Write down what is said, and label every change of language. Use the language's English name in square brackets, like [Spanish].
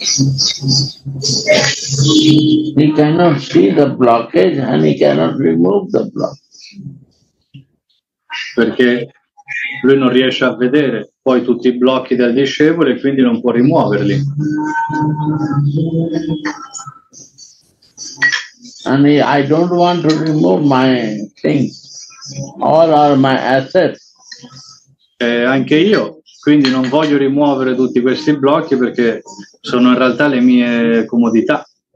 [English] He cannot see the blockage and he cannot remove the blockage. [Italian] Perché lui non riesce a vedere poi tutti i blocchi del discepolo e quindi non può rimuoverli. [English] And I don't want to remove my things. All are my assets. [Italian] Anche io quindi non voglio rimuovere tutti questi blocchi perché sono in realtà le mie comodità.